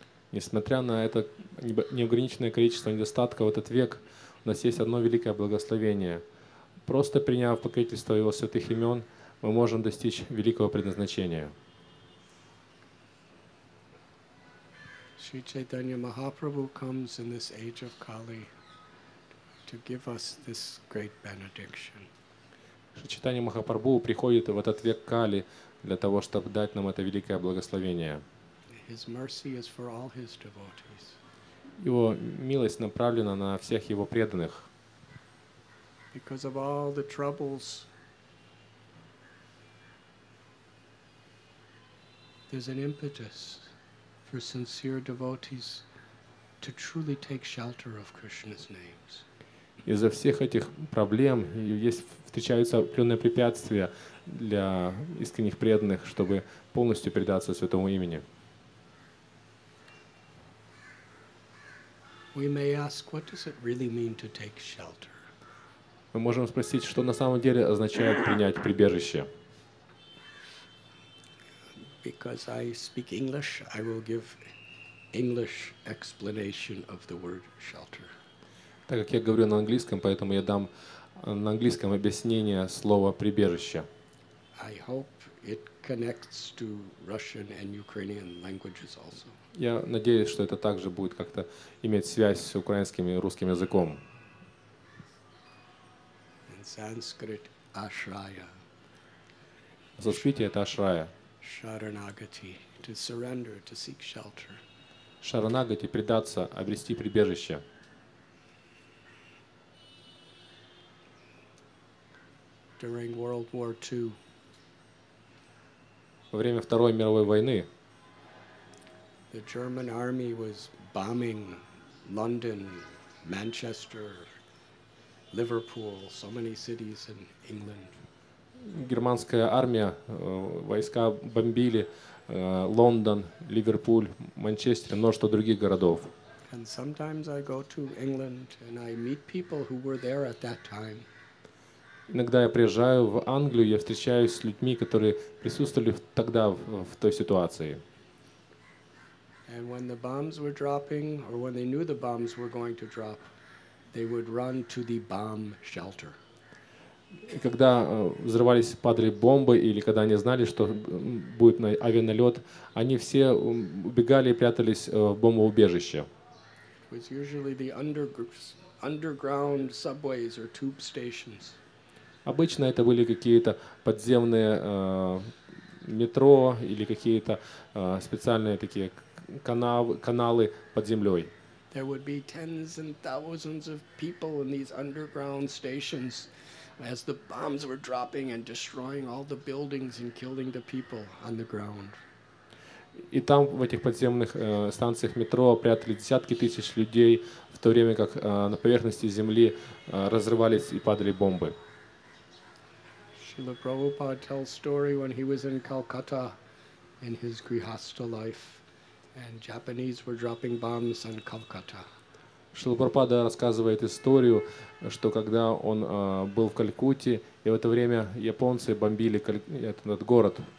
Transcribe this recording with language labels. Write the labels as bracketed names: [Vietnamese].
[Russian] Несмотря на это неограниченное количество недостатков в этот век, у нас есть одно великое благословение. Просто приняв покровительство Его святых имен, мы можем достичь великого предназначения. [English] Sri Chaitanya Mahaprabhu comes in this age of Kali to give us this great benediction. [Russian] Sri Chaitanya Mahaprabhu приходит в этот век Кали для того, чтобы дать нам это великое благословение. [English] His mercy is for all his devotees. [Russian] Его милость направлена на всех его преданных. [English] Because of all the troubles, there's an impetus for sincere devotees to truly take shelter of Krishna's names. [Russian] Из-за всех этих проблем встречаются определенные препятствия для искренних преданных, чтобы полностью предаться святому имени. [English] We may ask, what does it really mean to take shelter? [Russian] Мы можем спросить, что на самом деле означает принять прибежище. [English] Because I speak English, I will give English explanation of the word shelter. [Russian] Так как я говорю на английском, поэтому я дам на английском объяснение слова прибежище. [English] I hope it connects to Russian and Ukrainian languages also. [Russian] Я надеюсь, что это также будет как-то иметь связь с украинским и русским языком. [English] In Sanskrit, ashraya. [Russian] В санскрите это ашрая. [English] Sharanagati, to surrender, to seek shelter. [Russian] Sharanagati, предаться, обрести прибежище. [English] During World War II. [Russian] Во время Второй мировой войны. [English] the German army was bombing London, Manchester, Liverpool, so many cities in England. [Russian] Германская армия, войска бомбили Лондон, Ливерпуль, Манчестер, множество других городов. [English] And sometimes I go to England and I meet people who were there at that time. [Russian] Иногда я приезжаю в Англию, я встречаюсь с людьми, которые присутствовали тогда в той ситуации. [English] And when the bombs were dropping, or when they knew the bombs were going to drop, they would run to the bomb shelter. [Russian] И когда взрывались, падали бомбы, или когда они знали, что будет авианалет, они все убегали и прятались в бомбоубежище. [English] It was usually the underground subways or tube stations. [Russian] Обычно это были какие-то подземные метро или какие-то специальные такие каналы под землей. [English] There would be tens and thousands of people in these underground stations as the bombs were dropping and destroying all the buildings and killing the people on the ground. [Russian] И там, в этих подземных станциях метро, прятали десятки тысяч людей, в то время как на поверхности земли разрывались и падали бомбы. [English] Шрила Прабхупада tells story when he was in Calcutta in his grihastha life, and Japanese were dropping bombs on Calcutta. [Russian] Шрила Прабхупада рассказывает историю, что когда он был в Калькутте, и в это время японцы бомбили этот город.